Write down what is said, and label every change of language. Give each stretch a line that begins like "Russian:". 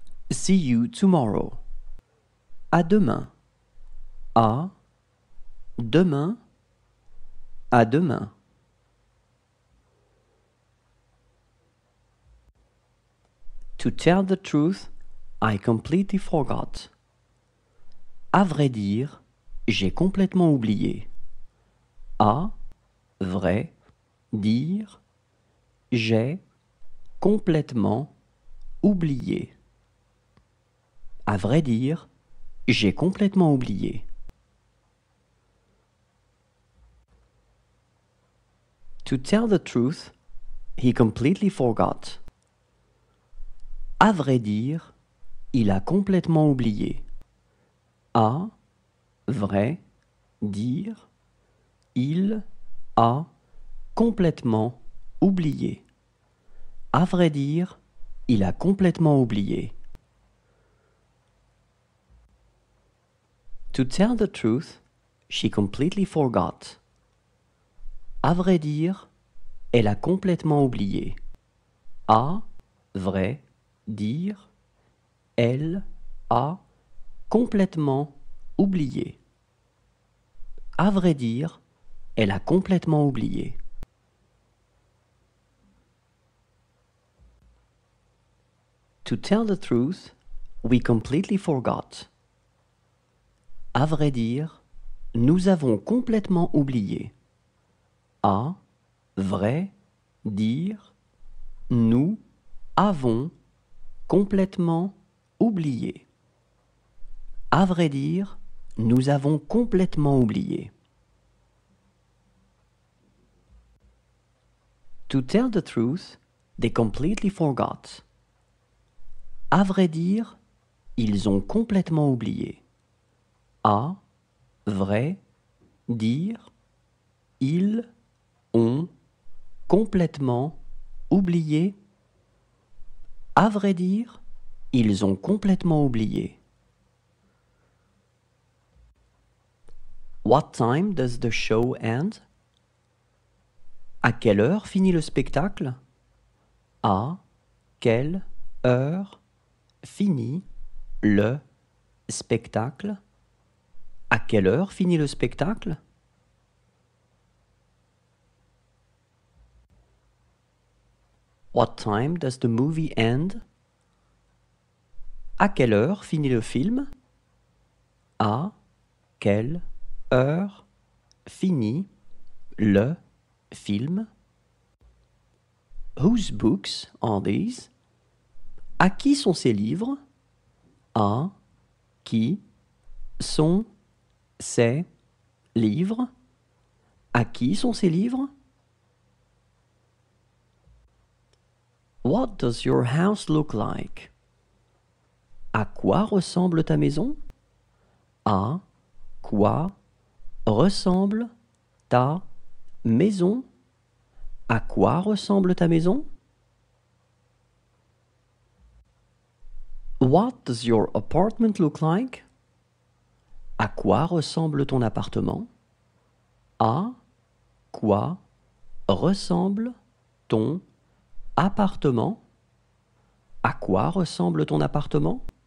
English: See you tomorrow.
French: À demain. À demain. À demain.
English: To tell the truth, I completely forgot.
French: À vrai dire, j'ai complètement oublié. À vrai dire, j'ai complètement oublié. À vrai dire, j'ai complètement oublié.
English: To tell the truth, he completely forgot.
French: À vrai dire, il a complètement oublié. À vrai dire, il a complètement oublié. À vrai dire, il a complètement oublié.
English: To tell the truth, she completely forgot.
French: À vrai dire, elle a complètement oublié. À vrai dire, elle a complètement oublié. À vrai dire, elle a complètement oublié.
English: To tell the truth, we completely forgot.
French: À vrai dire, nous avons complètement oublié. À vrai dire, nous avons complètement oublié. À vrai dire, nous avons complètement oublié.
English: To tell the truth, they completely forgot.
French: À vrai dire, ils ont complètement oublié. À vrai dire, ils ont complètement oublié. À vrai dire, ils ont complètement oublié.
English: What time does the show end?
French: À quelle heure finit le spectacle? À quelle heure finit le spectacle? À quelle heure finit le spectacle?
English: What time does the movie end?
French: À quelle heure finit le film? À quelle heure finit le film?
English: Whose books are these?
French: À qui sont ces livres? À qui sont ces livres? À qui sont ces livres?
English: What does your house look like?
French: À quoi ressemble ta maison? À quoi ressemble ta maison? À quoi ressemble ta maison?
English: What does your apartment look like?
French: À quoi ressemble ton appartement? À quoi ressemble ton appartement? À quoi ressemble ton appartement?